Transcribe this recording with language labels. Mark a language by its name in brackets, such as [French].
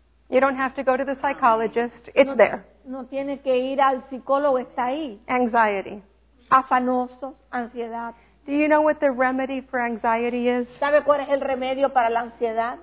[English] You don't have to go to the psychologist. It's there. [Spanish] No tiene que ir al psicólogo, está ahí. [English] Anxiety. [Spanish] Afanosos, ansiedad. [English] Do you know what the remedy for anxiety is? [Spanish] ¿Sabe cuál es el remedio para la ansiedad?